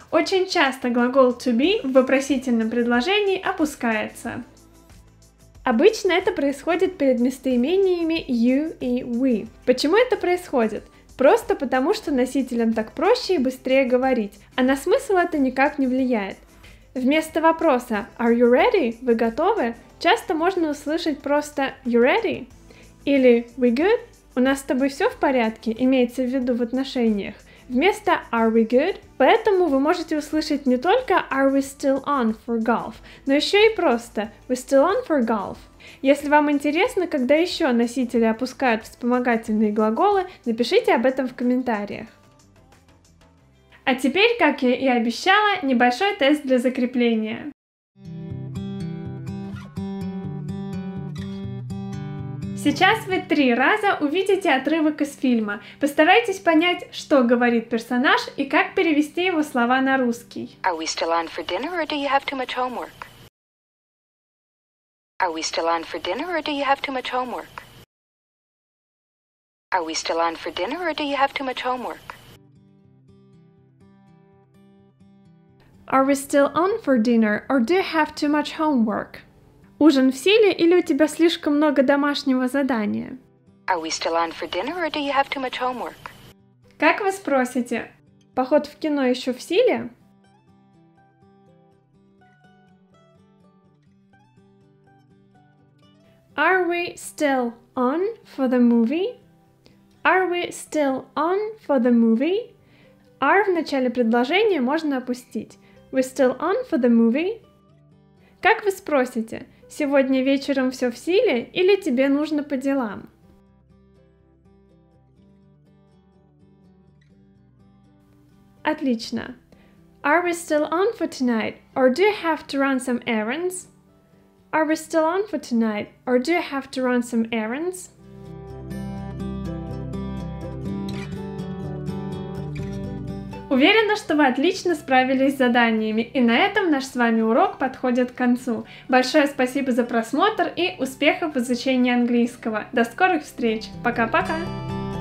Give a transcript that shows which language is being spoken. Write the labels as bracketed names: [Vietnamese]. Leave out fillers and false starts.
[Russian] Очень часто глагол to be в вопросительном предложении опускается. Обычно это происходит перед местоимениями you и we. Почему это происходит? Просто потому, что носителям так проще и быстрее говорить, а на смысл это никак не влияет. Вместо вопроса [English] «Are you ready?» [Russian] – «Вы готовы?» часто можно услышать просто [English] «You ready?» или «We good?» [Russian] – «У нас с тобой все в порядке?» – имеется в виду в отношениях. Вместо [English] «Are we good?» [Russian] Поэтому вы можете услышать не только [English] «Are we still on for golf?», [Russian] но еще и просто [English] «We still on for golf?». [Russian] Если вам интересно, когда еще носители опускают вспомогательные глаголы, напишите об этом в комментариях. А теперь, как я и обещала, небольшой тест для закрепления. Сейчас вы три раза увидите отрывок из фильма. Постарайтесь понять, что говорит персонаж и как перевести его слова на русский. [English] Are we still on for dinner or do you have too much homework? Are we still on for dinner or do you have too much homework? Are we still on for dinner or do you have too much homework? Are we still on for dinner, or do you have too much homework? [Russian] Ужин в силе или у тебя слишком много домашнего задания? [English] Are we still on for dinner, or do you have too much homework? [Russian] Как вы спросите? Поход в кино еще в силе? [English] Are we still on for the movie? Are we still on for the movie? [Russian] Are в начале предложения можно опустить. [English] We still on for the movie? [Russian] Как вы спросите, сегодня вечером все в силе или тебе нужно по делам? Отлично. [English] Are we still on for tonight or do you have to run some errands? Are we still on for tonight or do you have to run some errands? [Russian] Уверена, что вы отлично справились с заданиями, и на этом наш с вами урок подходит к концу. Большое спасибо за просмотр и успехов в изучении английского. До скорых встреч. Пока-пока!